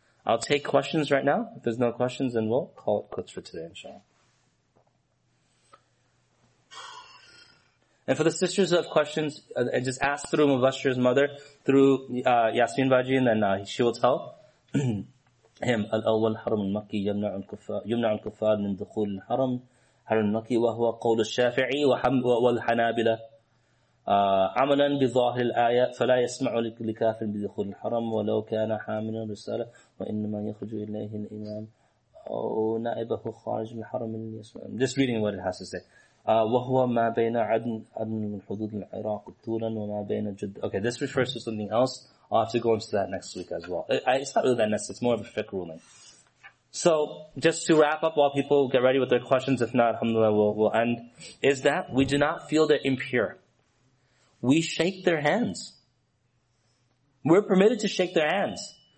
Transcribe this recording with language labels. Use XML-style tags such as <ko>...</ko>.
<en>I'll take questions right now. If there's no questions, then we'll call it quits for today, inshallah. And for the sisters who have questions, just ask through Mubashir's mother, through Yasmin Baji, and then she will tell.</en> <ar>هم الأول حرم المكي يمنع الكفار يمنع الكفار من دخول الحرم حرم المكي وهو قول الشافعي والحنابلة عملا بظاهر الآية فلا يسمع لكافر بدخول الحرم ولو كان حاملا رسالة وإنما يخرج إليه الإمام أو نائبه خارج من الحرم يسمع.</ar> <en>Just reading what it has to say.</en> <ar>وهو ما بين عدن من حدود العراق طولا وما بين جد.</ar> <en>Okay, this refers to something else. I'll have to go into that next week as well. It's not really that necessary. It's more of a fiqh ruling. So, just to wrap up while people get ready with their questions, if not, alhamdulillah, we'll end, is that we do not feel they're impure. We shake their hands. We're permitted to shake their hands.</en>